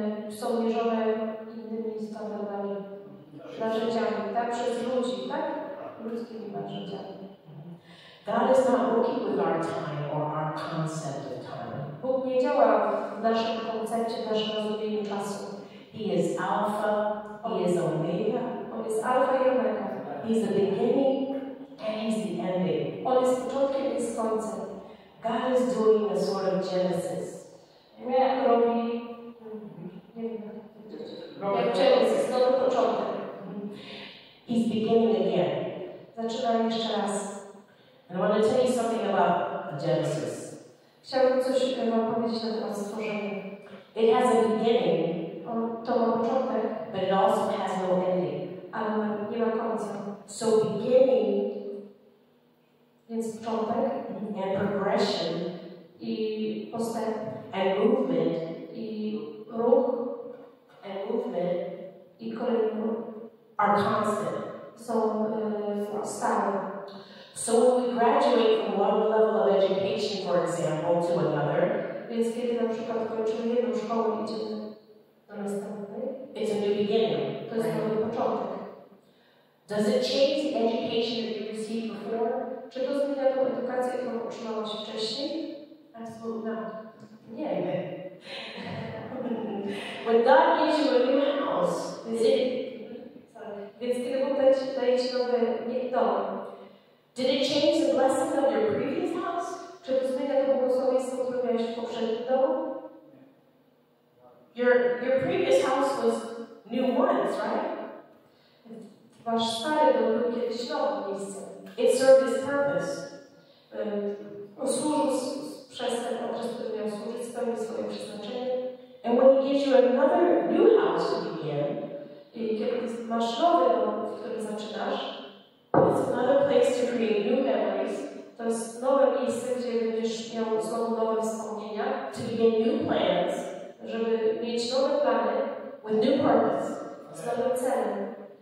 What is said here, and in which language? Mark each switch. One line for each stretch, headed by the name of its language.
Polish: Są mierzone innymi standardami. Narzędziami, tak? Przez ludzi, tak? Ludzkimi narzędziami.
English: God is not working with our time or our concept of time.
Polish: Bóg nie działa w naszym koncepcie, w naszym rozumieniu czasu.
English: He is Alpha, He is Omega.
Polish: On jest Alpha i Omega.
English: He is the beginning and He is the ending.
Polish: On jest początkiem i końcem.
English: God is doing a sort of Genesis.
Polish: Jak robi... Nie wiem. Jak Genesis, nowy początek.
English: He's beginning again.
Polish: Zaczynam jeszcze raz.
English: And I want to tell you something about Genesis.
Polish: Chciałbym coś wam powiedzieć na temat stworzenia.
English: It has a beginning.
Polish: To ma początek.
English: But it also has no ending.
Polish: Ale nie ma końca.
English: So beginning.
Polish: Więc początek.
English: And progression.
Polish: I postęp.
English: And movement.
Polish: I ruch.
English: And movement.
Polish: I kolejny ruch.
English: Are constant.
Polish: Są stałe.
English: So when we graduate from one level of education, for example, to another,
Polish: więc kiedy na przykład kończymy jedną szkołę i idziemy do następnej,
English: it's a new beginning.
Polish: To jest nowy początek.
English: Does it change the education that you received before?
Polish: Czy to zmienia tą edukację, którą otrzymałaś wcześniej?
English: Absolutely not.
Polish: Nie.
English: When God gives you a new house,
Polish: Więc kiedy Bóg daje ci nowy dom,
English: did it change the blessing of your previous house?
Polish: Czy to zmienia to błogosławieństwo, które miałeś w poprzednim domu?
English: Your previous house was new once, right?
Polish: Wasz stary dom był kiedyś nowe miejsce.
English: It served its purpose.
Polish: Służył przez ten okres, który miał służyć, spełnił swoje przeznaczenie.
English: And when he gives you another new house to begin,
Polish: i kiedy masz nowy dom, w którym zaczynasz,
English: it's another place to create new memories.
Polish: To jest nowe miejsce, gdzie będziesz miał znowu nowe wspomnienia.
English: To begin new plans.
Polish: Żeby mieć nowe plany.
English: With new purpose.
Polish: Z nowym celem.